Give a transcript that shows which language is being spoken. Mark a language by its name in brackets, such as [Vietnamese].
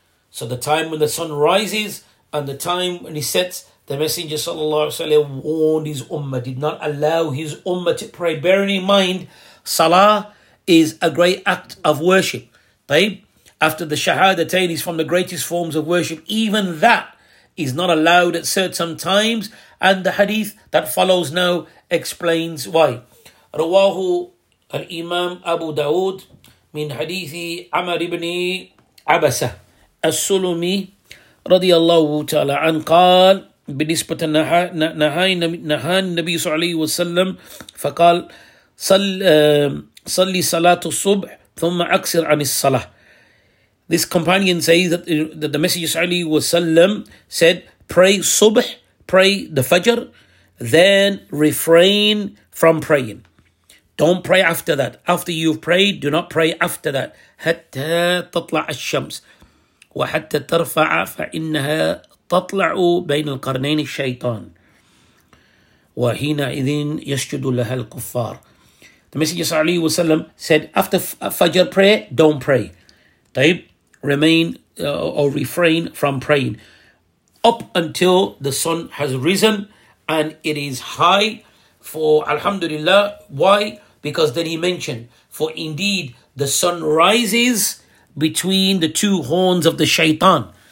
[English] So the time when the sun rises and the time when he sets, the Messenger sallallahu alaihi wasallam warned his ummah, did not allow his ummah to pray. Bearing in mind, salah is a great act of worship. Babe, after the shahadatain, is from the greatest forms of worship. Even that is not allowed at certain times. And the hadith that follows now explains why. [Arabic] Rawahu al-imam Abu Dawood min hadithi Amr ibn Abasa as-Sulumi رضي الله تعالى عن قال بالنسبة نهان النبي صلى الله عليه وسلم فقال صلي صلاة الصبح ثم أكسر عن الصلاة. [English] This companion says that the Messenger [Arabic] صلى الله عليه وسلم [English] said, pray subh, pray the fajr, then refrain from praying. Don't pray after that. After you've prayed, do not pray after that. [Arabic] حتى تطلع الشمس. وحتى ترفع فإنها تطلع بين القرنين الشيطان وحينئذ يسجد لها الكفار. [English] The Messenger [Arabic] صلى الله عليه وسلم [English] said, after Fajr prayer, don't pray. [Arabic] طيب, [English] refrain from praying up until the sun has risen and it is high. For Alhamdulillah, why? Because then he mentioned, for indeed the sun rises between the two horns of the shaitan.